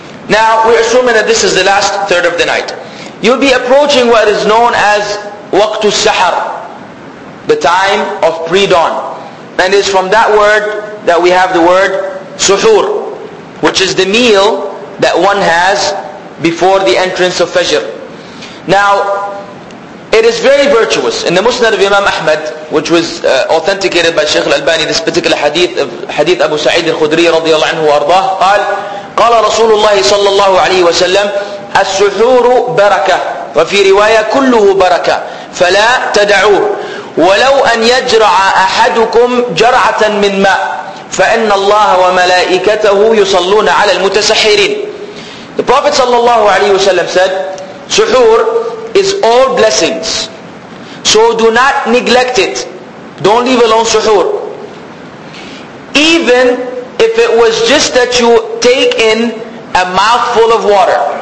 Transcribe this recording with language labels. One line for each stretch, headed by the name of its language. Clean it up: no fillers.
English: Now we're assuming that this is the last third of the night. You'll be approaching what is known as waqtu sahar, the time of pre-dawn. And it's from that word that we have the word suhoor, which is the meal that one has before the entrance of Fajr. Now, it is very virtuous. In the Musnad of Imam Ahmad, which was authenticated by Shaykh al-Albani, this particular hadith of hadith Abu Sa'id al-Khudri radiyallahu anhu wa ardah,
Arabic: قال, قال رسول الله صلى الله عليه وسلم السحور بركة وفي رواية كله بركة فلا تدعوه ولو أن يجرع أحدكم جرعة من ماء فإن الله وملائكته يصلون على المتسحرين.
English: The Prophet صلى الله عليه وسلم said, سحور is all blessings. So do not neglect it. Don't leave alone suhoor. Even if it was just that you take in a mouthful of water.